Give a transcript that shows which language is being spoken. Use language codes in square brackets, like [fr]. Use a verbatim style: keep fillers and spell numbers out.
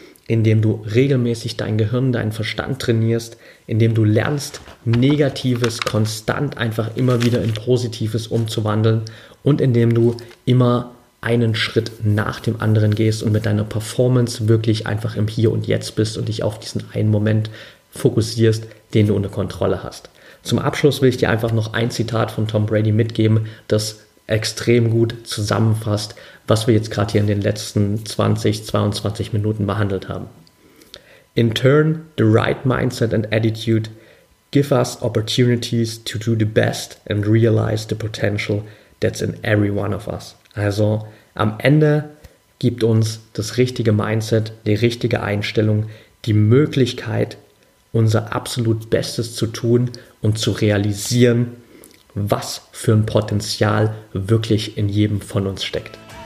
[de] indem du regelmäßig dein Gehirn, deinen Verstand trainierst, indem du lernst, Negatives konstant einfach immer wieder in Positives umzuwandeln und indem du immer einen Schritt nach dem anderen gehst und mit deiner Performance wirklich einfach im Hier und Jetzt bist und dich auf diesen einen Moment fokussierst, den du unter Kontrolle hast. Zum Abschluss will ich dir einfach noch ein Zitat von Tom Brady mitgeben, das extrem gut zusammenfasst, was wir jetzt gerade hier in den letzten zwanzig, zweiundzwanzig Minuten behandelt haben. [en] In turn, the right mindset and attitude give us opportunities to do the best and realize the potential that's in every one of us. [de] Also am Ende gibt uns das richtige Mindset, die richtige Einstellung, die Möglichkeit, unser absolut Bestes zu tun und zu realisieren, was für ein Potenzial wirklich in jedem von uns steckt.